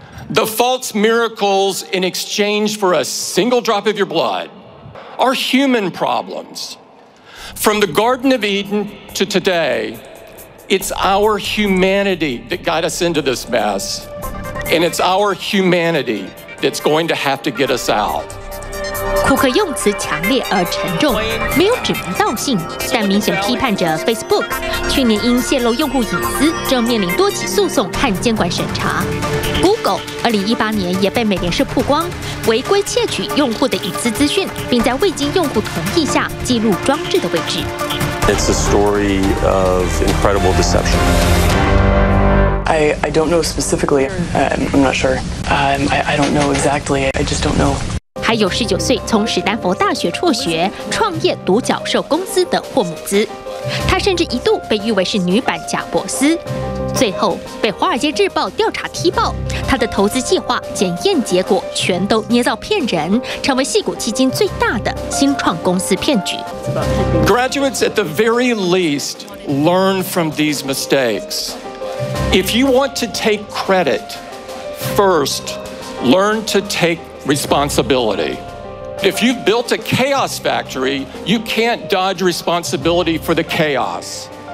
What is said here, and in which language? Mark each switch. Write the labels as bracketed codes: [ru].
[en] The false miracles in exchange for a single drop of your blood are human problems. From the Garden of Eden to today, it's our humanity that got us into this mess, and it's our humanity that's going to have to get us out. [zh] 库克用词强烈而沉重，没有指名道姓，但明显批判着 Facebook 去年因泄露用户隐私正面临多起诉讼和监管审查。 Google 2018年也被美联社曝光违规窃取用户的隐私资讯，并在未经用户同意下记录装置的位置。 [en] It's a story of incredible deception. I don't know specifically. I'm not sure. I don't know exactly. I just don't know. [zh] 还有19岁从史丹佛大学辍学创业独角兽公司的霍姆兹，他甚至一度被誉为是女版贾伯斯，最后被华尔街日报调查踢爆，他的投资计划检验结果全都捏造骗人，成为矽谷迄今最大的新创公司骗局。 [en] Graduates at the very least learn from these mistakes. If you want to take credit, first learn to takeResponsibility. If you've built a chaos factory, you can't dodge responsibility for the chaos.